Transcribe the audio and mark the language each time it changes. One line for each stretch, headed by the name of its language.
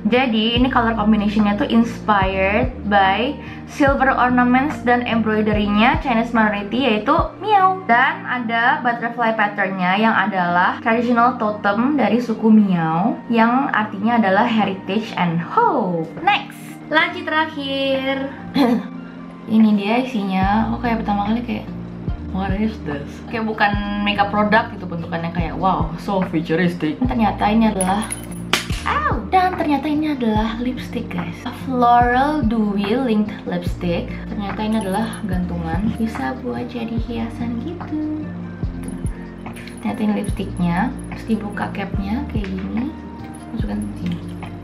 Indonesian: Jadi ini color combinationnya tuh
English: inspired by silver ornaments
Indonesian: dan embroiderinya Chinese minority, yaitu Miao. Dan ada butterfly patternnya yang adalah traditional totem dari suku Miao, yang artinya adalah
English: heritage and hope.
Indonesian: Next. Laci terakhir. Ini dia isinya. Oh, kayak pertama kali kayak
English: what is this?
Indonesian: Kayak bukan makeup product gitu bentukannya, kayak wow,
English: so futuristic.
Indonesian: Ternyata ini adalah dan ternyata ini adalah lipstick, guys.
English: A floral dewy linked lipstick.
Indonesian: Ternyata ini adalah gantungan, bisa buat jadi hiasan gitu. Ternyata ini lipsticknya. Terus dibuka capnya kayak gini. Masukkan ke sini.